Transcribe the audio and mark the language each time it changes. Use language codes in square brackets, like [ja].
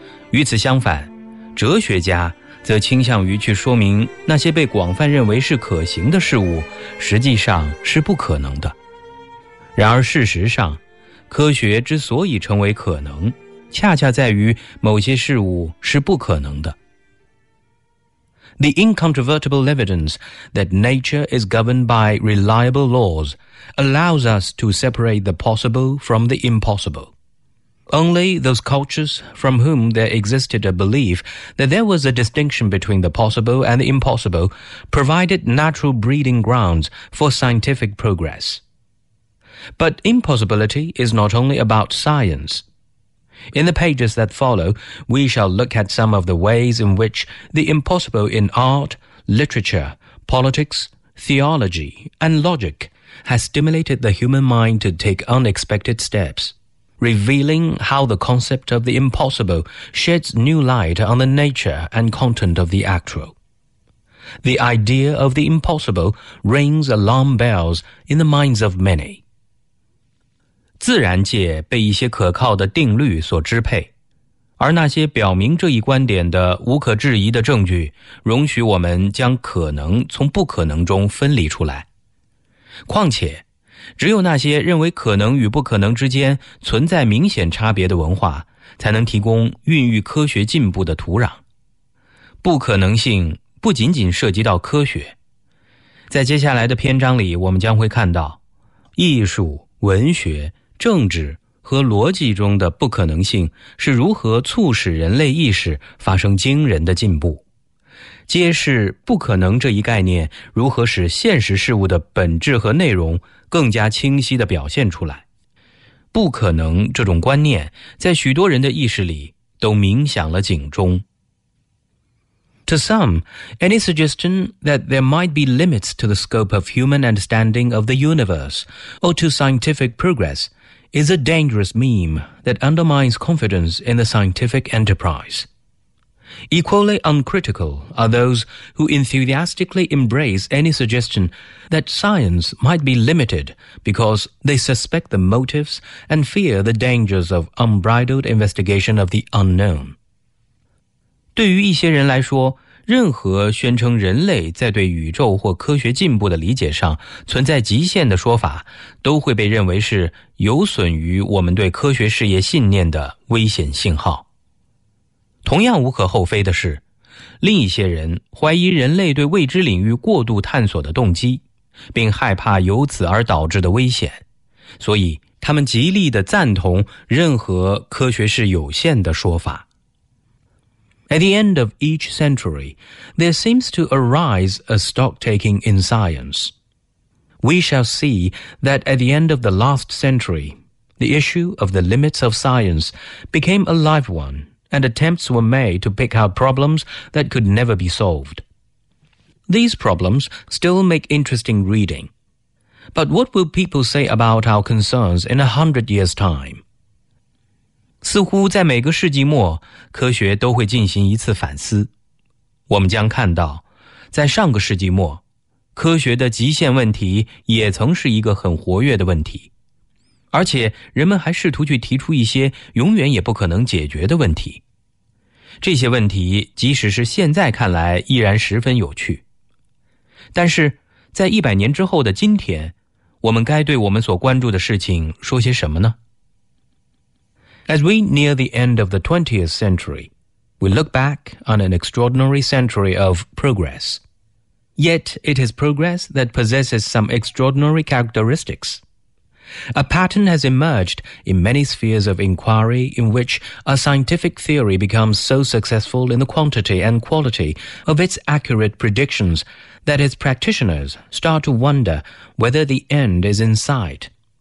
[zh] 与此相反，哲学家则倾向于去说明那些被广泛认为是可行的事物，实际上是不可能的。然而事实上，科学之所以成为可能，恰恰在于某些事物是不可能的。 [en] The incontrovertible evidence that nature is governed by reliable laws allows us to separate the possible from the impossible. Only those cultures from whom there existed a belief that there was a distinction between the possible and the impossible provided natural breeding grounds for scientific progress. But impossibility is not only about science. In the pages that follow, we shall look at some of the ways in which the impossible in art, literature, politics, theology, and logic has stimulated the human mind to take unexpected steps. Revealing how the concept of the impossible sheds new light on the nature and content of the actual. The idea of the impossible rings alarm bells in the minds of many. [zh] 自然界被一些可靠的定律所支配，而那些表明这一观点的无可置疑的证据，容许我们将可能从不可能中分离出来。况且只有那些认为可能与不可能之间存在明显差别的文化，才能提供孕育科学进步的土壤。不可能性不仅仅涉及到科学。在接下来的篇章里，我们将会看到艺术、文学、政治和逻辑中的不可能性是如何促使人类意识发生惊人的进步。揭示不可能这一概念如何使现实事物的本质和内容更加清晰地表现出来。不可能这种观念在许多人的意识里都鸣响了警钟。 [en] To some, any suggestion that there might be limits to the scope of human understanding of the universe or to scientific progress is a dangerous meme that undermines confidence in the scientific enterprise. Equally uncritical are those who enthusiastically embrace any suggestion that science might be limited because they suspect the motives and fear the dangers of unbridled investigation of the unknown. [zh] 对于一些人来说，任何宣称人类在对宇宙或科学进步的理解上存在极限的说法，都会被认为是有损于我们对科学事业信念的危险信号。同样无可厚非的是，另一些人怀疑人类对未知领域过度探索的动机，并害怕由此而导致的危险，所以他们极力地赞同任何科学是有限的说法。 [en] At the end of each century, there seems to arise a stocktaking in science. We shall see that at the end of the last century, the issue of the limits of science became a live one, and attempts were made to pick out problems that could never be solved. These problems still make interesting reading. But what will people say about our concerns in 100 years' time? [zh] 似乎在每个世纪末，科学都会进行一次反思。我们将看到，在上个世纪末，科学的极限问题也曾是一个很活跃的问题，而且人们还试图去提出一些永远也不可能解决的问题。这些问题即使是现在看来依然十分有趣。但是在100年之后的今天，我们该对我们所关注的事情说些什么呢？ [en] As we near the end of the 20th century, we look back on an extraordinary century of progress. Yet it is progress that possesses some extraordinary characteristics. A pattern has emerged in many spheres of inquiry in which a scientific theory becomes so successful in the quantity and quality of its accurate predictions that its practitioners start to wonder whether the end is in sight.